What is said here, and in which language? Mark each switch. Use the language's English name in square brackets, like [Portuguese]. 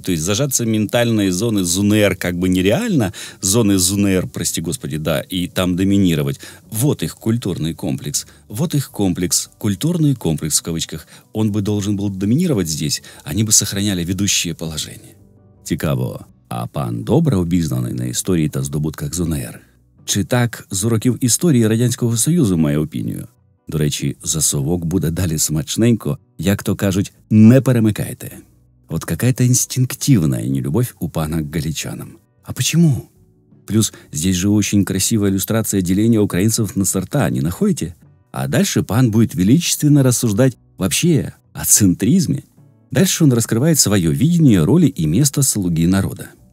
[Russian] То есть зажаться ментальной зоны ЗУНР как бы нереально. Зоны ЗУНР, прости господи, да, и там доминировать. Вот их культурный комплекс. Вот их комплекс. Культурный комплекс в кавычках. Он бы должен был доминировать здесь. Они бы сохраняли ведущее положение. [Ukrainian] Цікаво. А пан добре обізнаний на історії та здобутках ЗУНР? Чи так з уроків історії Радянського Союзу, має опінію? До речі, засовок буде далі смачненько, як то кажуть, не перемикайте. [Russian] От какая-то інстинктивная нелюбовь у пана к галичанам. А почему? Плюс здесь же очень красивая иллюстрация деления украинцев на сорта, не находите? А дальше пан будет величественно рассуждать вообще о центризме. Дальше он раскрывает свое видение роли и места слуги народа.